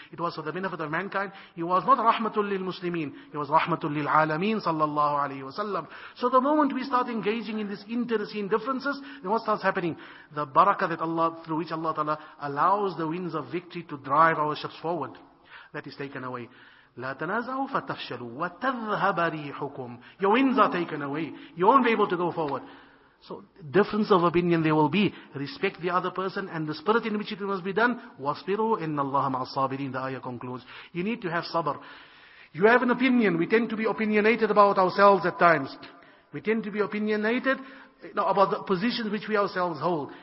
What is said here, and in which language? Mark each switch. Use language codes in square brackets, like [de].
[en] It was for the benefit of mankind. He was not rahmatul lil muslimin, he was rahmatul lil alameen sallallahu alayhi wa sallam. So the moment we start engaging in this interesting differences, then what starts happening? The barakah that Allah, through which Allah ta'ala allows the winds of victory to drive our ships forward, that is taken away. [ar] لا تنازعوا فتفشلوا وتذهب ريحكم. [en] Your winds are taken away. You won't be able to go forward. So difference of opinion there will be. Respect the other person and the spirit in which it must be done. [ar] وَاصْبِرُوا إِنَّ اللَّهَ مَعَ الصَّابِرِينَ. [en] The ayah concludes. You need to have sabr. You have an opinion. We tend to be opinionated about ourselves at times. We tend to be opinionated about the positions which we ourselves hold.